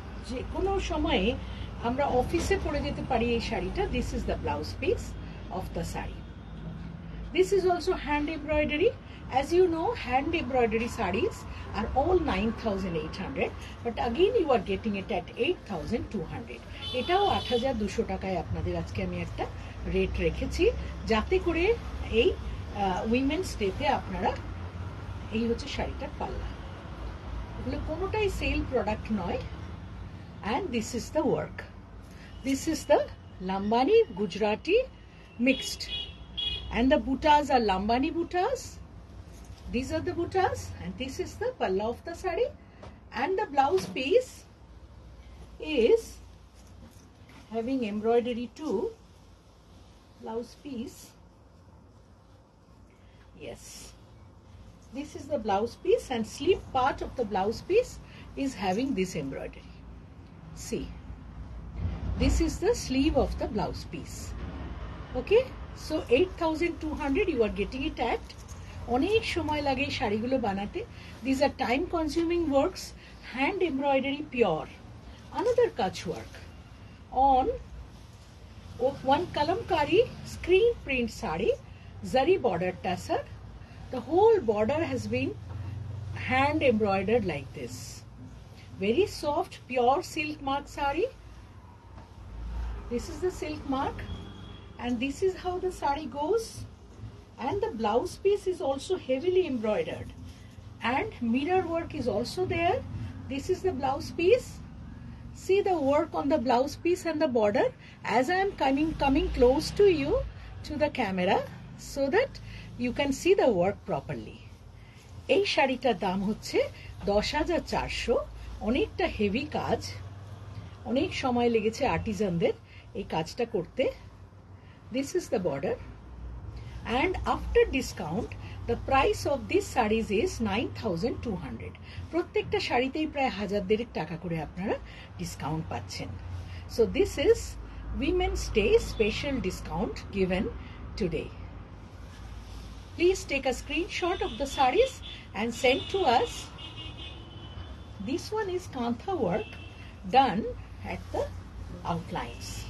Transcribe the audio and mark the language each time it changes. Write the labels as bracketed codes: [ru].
[bn] যে কোনো সময়ে আমরা অফিসে পরে যেতে পারি এই শাড়িটা। [en] This is the blouse piece of the sari. This is also hand embroidery. As you know, hand embroidery sarees are all 9,800, but again you are getting it at 8,200. [bn] এটাও 8,200 টাকায় আপনাদের আজকে আমি একটা রেট রেখেছি, যাতে করে এই উইমেন্স ডেতে আপনারা, এই হচ্ছে শাড়িটার পাল্লা, এগুলো কোনোটাই সেল প্রোডাক্ট নয়। [en] And this is the work, this is the Lambani Gujarati mixed, and the butas are Lambani butas, this are the butas, and this is the palla of the sari, and the blouse piece is having embroidery to blouse piece, yes this is the blouse piece and sleep part of the blouse piece is having this embroidery. See, this is the sleeve of the blouse piece. Okay, so 8200 you are getting it at. [bn] Onek shomoy lage shari gulo banate, [en] these are time consuming works, hand embroidery pure, another kach work on one kalamkari screen print sari, zari border tassar. The whole border has been hand embroidered like this. Very soft, pure silk mark sari. This is the silk mark. And this is how the sari goes. And the blouse piece is also heavily embroidered. And mirror work is also there. This is the blouse piece. See the work on the blouse piece and the border. As I am coming close to you, to the camera, so that you can see the work properly. [bn] এই শাড়িটার দাম হচ্ছে 10,400, অনেকটা heavy কাজ, অনেক সময় লেগেছে আর্টিজানদের এই কাজটা করতে. [en] This is the border and after discount the price of this sarees is 9,200. [bn] প্রত্যেকটা শাড়িতেই প্রায় হাজার দেড়েক টাকা করে আপনারা ডিসকাউন্ট পাচ্ছেন. [en] So this is Women's Day special discount given today. Please take a screenshot of the sarees and send to us. This one is Kantha work done at the outlines.